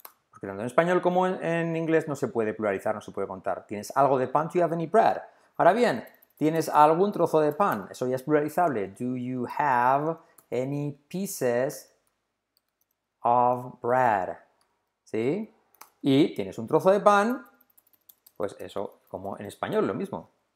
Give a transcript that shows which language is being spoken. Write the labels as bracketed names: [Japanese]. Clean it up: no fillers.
[Spanish] Porque tanto en español como en inglés no se puede pluralizar, no se puede contar. ¿Tienes algo de pan? [English] Do you have any bread? [Spanish] Ahora bien, ¿tienes algún trozo de pan? Eso ya es pluralizable. [English] Do you have any pieces of bread? [Spanish] ¿Sí? Y tienes un trozo de pan, pues eso, como en español, lo mismo.